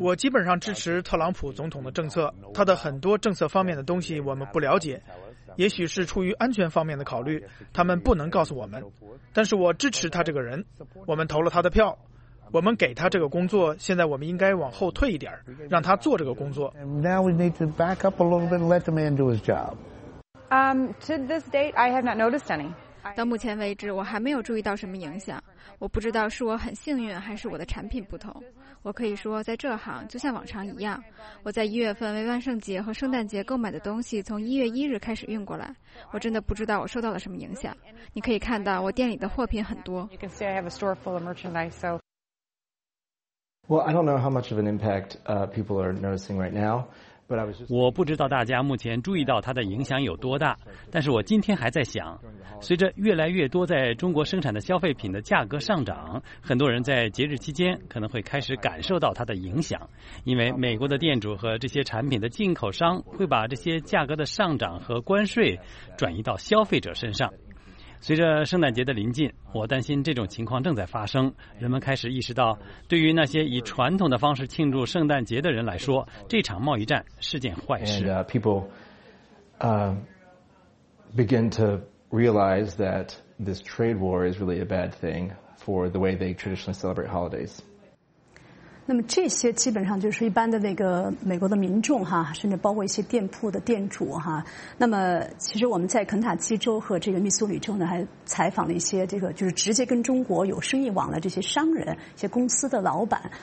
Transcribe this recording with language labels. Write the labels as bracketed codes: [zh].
[zh] 我基本上支持特朗普总统的政策，他的很多政策方面的东西我们不了解，也许是出于安全方面的考虑，他们不能告诉我们。但是我支持他这个人，我们投了他的票。我们给他这个工作，现在我们应该往后退一点，让他做这个工作。 [en] Now we need to back up a little bit and let the man do his job. To this date, I have not noticed any. [zh] 到目前为止，我还没有注意到什么影响。我不知道是我很幸运，还是我的产品不同。我可以说，在这行就像往常一样。我在一月份为万圣节和圣诞节购买的东西，从一月一日开始运过来。我真的不知道我受到了什么影响。你可以看到我店里的货品很多。 [en] You can see I have a store full of merchandise, so. Well, I don't know how much of an impact people are noticing right now, but I was just. [zh] 我不知道大家目前注意到它的影响有多大，但是我今天还在想，随着越来越多在中国生产的消费品的价格上涨，很多人在节日期间可能会开始感受到它的影响，因为美国的店主和这些产品的进口商会把这些价格的上涨和关税转移到消费者身上。随着圣诞节的临近，我担心这种情况正在发生。人们开始意识到，对于那些以传统的方式庆祝圣诞节的人来说，这场贸易战是件坏事。 [en] And begin to realize that this trade war is really a bad thing for the way they traditionally celebrate holidays. [zh] 那么这些基本上就是一般的那个美国的民众哈，甚至包括一些店铺的店主哈。那么其实我们在肯塔基州和这个密苏里州呢，还采访了一些这个就是直接跟中国有生意往来这些商人、一些公司的老板。